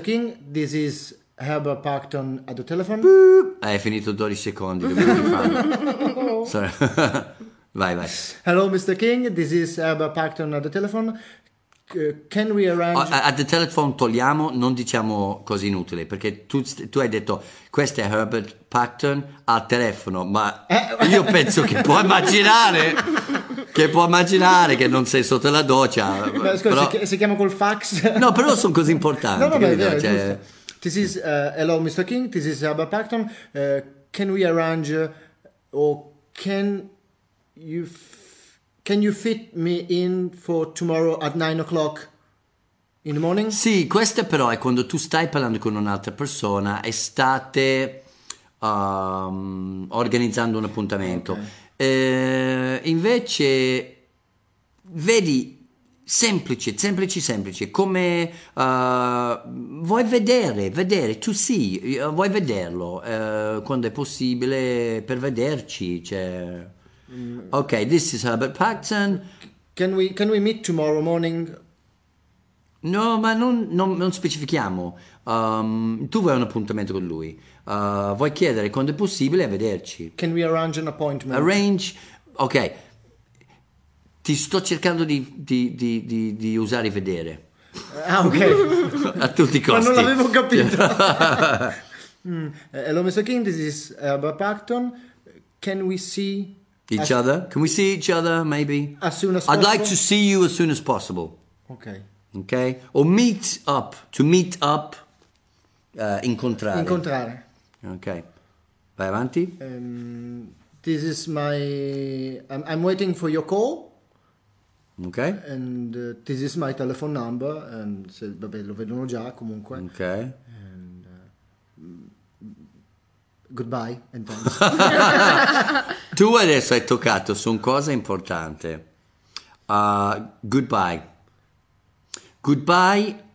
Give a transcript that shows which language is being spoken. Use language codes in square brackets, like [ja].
[en] King, this is Herbert Pacton at the telephone. [it] Boop! È finito 12 secondi. [en] Sorry. Bye. Hello, Mr. King, this is Herbert Pacton at the telephone. Can we arrange... At the telephone [it] togliamo, non diciamo cose inutili, perché tu hai detto questo è Herbert Pacton al telefono, ma io penso che puoi immaginare che non sei sotto la doccia. Ma scusa, però, si chiama col fax? No, però sono cose importanti. No, vabbè, cioè, [en] this is, hello Mr. King, this is Herbert Pacton, can we arrange or can you fit me in for tomorrow at 9 o'clock in the morning? [it] Sì, questo però è quando tu stai parlando con un'altra persona e state organizzando un appuntamento. Okay. Invece, vedi, semplice, come vuoi vedere, tu sì, vuoi vederlo quando è possibile per vederci, cioè... [en] Okay, this is Herbert Pacton. Can we meet tomorrow morning? [it] No, ma non specifichiamo. Tu vuoi un appuntamento con lui. Vuoi chiedere quando è possibile a vederci. [en] Can we arrange an appointment? Arrange, okay. [it] Ti sto cercando di usare vedere. Ah, ok. A tutti i costi. Ma non l'avevo capito. [en] Hello, Mr. King, this is Abba Pacton. Can we see... Each other? Can we see each other, maybe? As soon as possible? I'd like to see you as soon as possible. Okay. Okay? Or meet up. To meet up, [it] incontrare. Incontrare. Okay. Vai avanti. [en] This is my... I'm waiting for your call. Okay. And this is my telephone number. [it] And se, vabbè, lo vedono già comunque. [en] Okay. And goodbye. And thanks. [it] Tu adesso hai toccato su una cosa importante. [en] Goodbye. Goodbye.